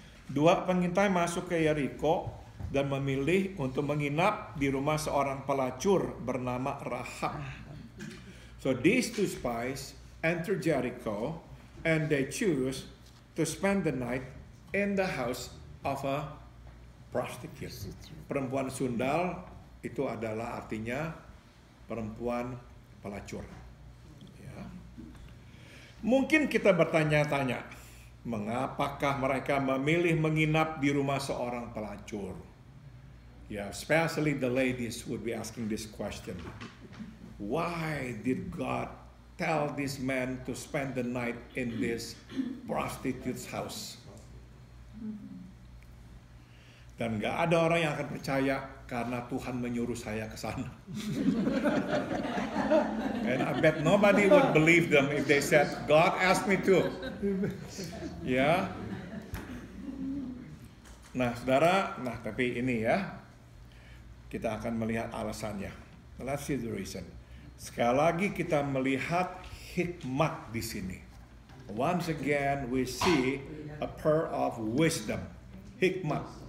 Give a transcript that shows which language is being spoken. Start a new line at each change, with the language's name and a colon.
Indonesian: Dua pengintai masuk ke Yeriko dan memilih untuk menginap di rumah seorang pelacur bernama Rahab.
English: So these two spies enter Jericho and they choose to spend the night in the house of a prostitute.
Indonesian: Perempuan sundal itu adalah artinya perempuan pelacur. Ya. Mungkin kita bertanya-tanya, mengapakah mereka memilih menginap di rumah seorang pelacur?
English: Yeah, especially the ladies would be asking this question. Why did God tell this man to spend the night in this prostitute's house?
Indonesian: Dan gak ada orang yang akan percaya karena Tuhan menyuruh saya ke sana.
English: And I bet nobody would believe them if they said, God asked me to. Yeah.
Indonesian: Nah, saudara, nah tapi ini ya, kita akan melihat alasannya.
English: Let's see the reason.
Indonesian: Sekali lagi kita melihat hikmat di sini.
English: Once again, we see a pearl of wisdom. Hikmat.